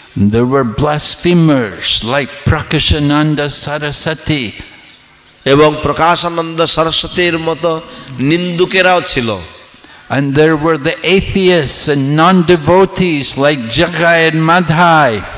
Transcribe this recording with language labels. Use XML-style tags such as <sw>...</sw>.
<en>There were blasphemers like Prakashananda Saraswati.</en> <bn>এবং প্রকাশানন্দ সরস্বতীর মতো নিন্দুকেরাও ছিল.</bn> <en>And there were the atheists and non-devotees like Jagai and Madhai.</en>